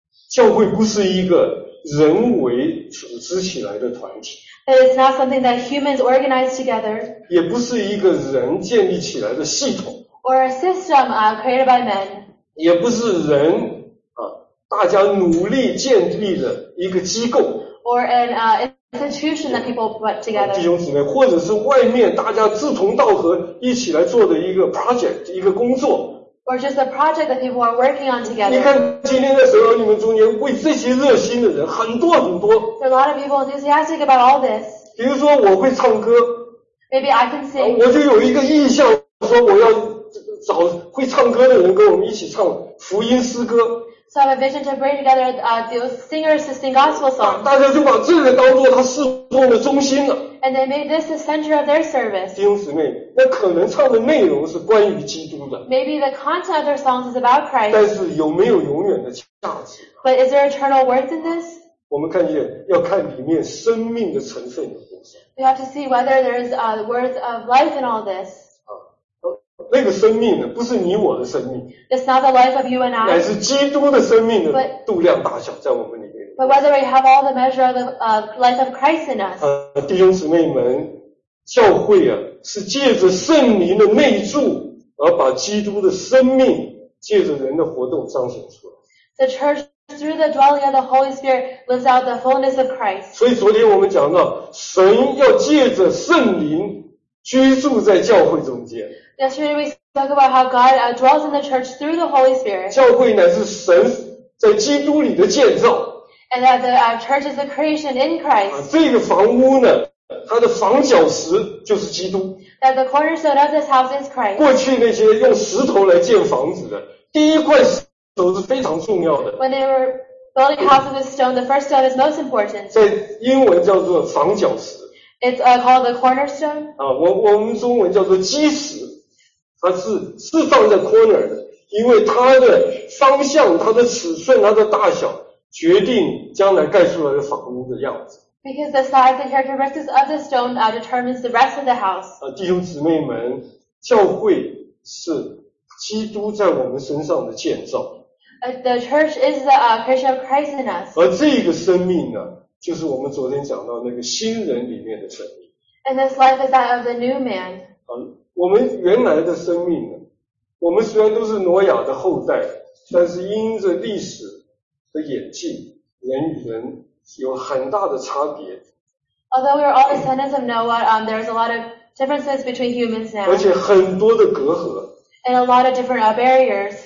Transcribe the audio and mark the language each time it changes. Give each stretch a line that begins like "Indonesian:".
Chinese: 教会不是一个人为组织起来的团体。
English: But it's not something that humans organize together.
Chinese: 也不是一个人建立起来的系统。
English: Or a system, created by men.
Chinese: 也不是人大家努力建立的一个机构。
English: Or an, institution that people put together.
Chinese: 弟兄姊妹，或者是外面大家志同道合一起来做的一个 project, 一个工作。
English: Or just a project that people are working on together.
Chinese: 你看今天在神儿女们中间为这些热心的人很多很多。
English: There are a lot of people enthusiastic about all this.
Chinese: 比如说我会唱歌。
English: Maybe I can sing.
Chinese: 我就有一个印象说我要找会唱歌的人跟我们一起唱福音诗歌。
English: So I have a vision to bring together, those singers to sing gospel songs.
Chinese: 大家就把这个当作他侍奉的中心了。
English: And they made this the center of their service.
Chinese: 弟兄姊妹，那可能唱的内容是关于基督的。
English: Maybe the content of their songs is about Christ.
Chinese: 但是有没有永远的价值？
English: But is there eternal worth in this?
Chinese: 我们看见要看里面生命的成分有多少。
English: We have to see whether there is, the worth of life in all this.
Chinese: 那个生命呢，不是你我的生命。
English: It's not the life of you and I.
Chinese: 乃是基督的生命的度量大小在我们里面。
English: But whether we have all the measure of the life of Christ in us.
Chinese: 弟兄姊妹们，教会啊，是借着圣灵的内住而把基督的生命借着人的活动彰显出来。
English: The church through the dwelling of the Holy Spirit lives out the fullness of Christ.
Chinese: 所以昨天我们讲到，神要借着圣灵居住在教会中间。
English: Yesterday we spoke about how God dwells in the church through the Holy Spirit.
Chinese: 教会乃是神在基督里的建造。
English: And that the church is the creation in Christ.
Chinese: 这个房屋呢，它的房角石就是基督。
English: That the cornerstone of this house is Christ.
Chinese: 过去那些用石头来建房子的，第一块石头是非常重要的。
English: When they were building houses with stone, the first stone is most important.
Chinese: 在英文叫做房角石。
English: It's called the cornerstone.
Chinese: 我们中文叫做基石。它是放在 corner 的，因为它的方向、它的尺寸、它的大小，决定将来盖出来的房屋的样子。
English: Because the size and characteristics of the stone determines the rest of the house.
Chinese: 弟兄姊妹们，教会是基督在我们身上的建造。
English: The church is the creation of Christ in us.
Chinese: 而这个生命呢，就是我们昨天讲到那个新人里面的生命。
English: And this life is that of the new man.
Chinese: 我们原来的生命呢，我们虽然都是挪亚的后代，但是因着历史的演进，人与人有很大的差别。
English: Although we are all descendants of Noah, there is a lot of differences between humans now.
Chinese: 而且很多的隔阂。
English: And a lot of different barriers.